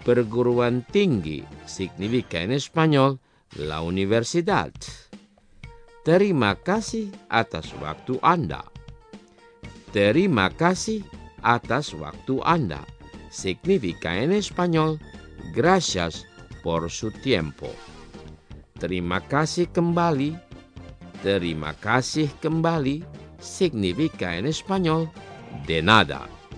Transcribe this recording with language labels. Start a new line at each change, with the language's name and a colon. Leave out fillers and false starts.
Indonesian: Perguruan tinggi
Spanish: significa en español la universidad.
Indonesian: Terima kasih atas waktu Anda. Terima kasih atas waktu Anda
Spanish: significa en español gracias por su tiempo.
Indonesian: Terima kasih kembali
Spanish: significa en español de nada.